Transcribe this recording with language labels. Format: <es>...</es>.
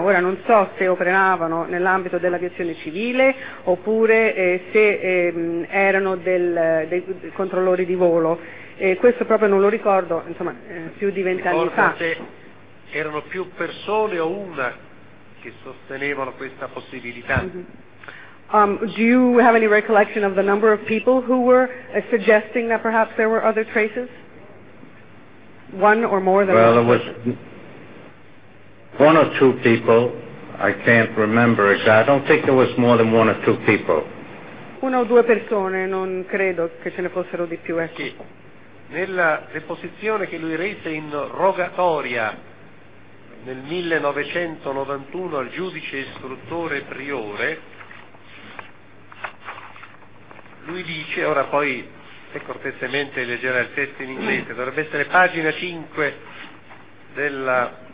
<it>Ora non so se operavano nell'ambito dell'aviazione civile oppure se erano dei controllori di volo. Questo proprio non lo ricordo, insomma, più di 20 anni fa. Se erano più persone o una che sostenevano questa possibilità.</it> <en>Do you have any recollection of the number of people who were suggesting that perhaps there were other traces? One or more than one? Well, there was one or two people. I can't remember exactly. I don't think there was more than one or two people.</en> <it>Una o due persone, non credo che ce ne fossero di più, ecco. Sì. Nella deposizione che lui rese in rogatoria nel 1991 al giudice istruttore priore, lui dice, ora poi se cortesemente leggerà il testo in inglese, dovrebbe essere pagina 5 del</it>